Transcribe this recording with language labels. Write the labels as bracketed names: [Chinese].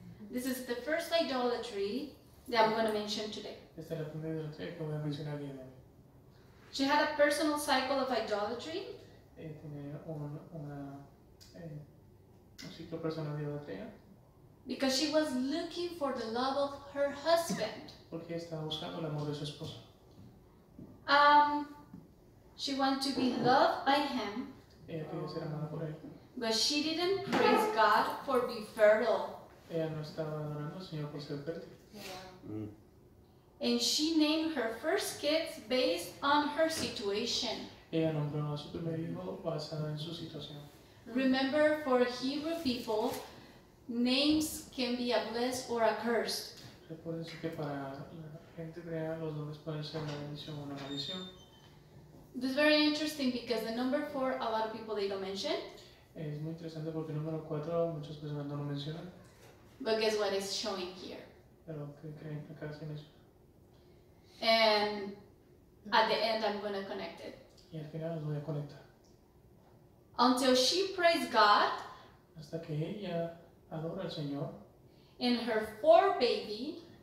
[English] This is the first idolatry that I'm going to mention today. [Spanish] Esta es la primera idolatría que voy a mencionar bien hoy. [English] She had a personal cycle of idolatry. [Spanish] Ella tiene un ciclo personal de idolatría. [English] Because she was looking for the love of her husband. [Spanish] Porque estaba buscando el amor de su esposo. [English] She wanted to be loved by him. [Spanish] Ella quería ser amada por él. [English] But she didn't praise God for being fertile. [Spanish] Ella no estaba adorando al Señor por ser fértil. [English] And she named her first kids based on her situation. [Spanish] Ella nombró a su primer hijo basado en su situación. [English] Remember, for Hebrew people, names can be a bless or a curse. [Spanish] Recuerden que para la gente hebrea los nombres pueden ser una bendición o una maldición. [English] This is very interesting because the number 4, a lot of people they don't mention. [Spanish] Es muy interesante porque el número 4 muchas personas no lo mencionan. [English] But guess what is showing here? [Spanish] Pero ¿qué creen acá en eso? [English] And at the end I'm going to connect it. [Spanish] Y al final los voy a conectar. [English] Until she praised God. [Spanish] Hasta que ella adora al Señor. [English] And her 4th baby.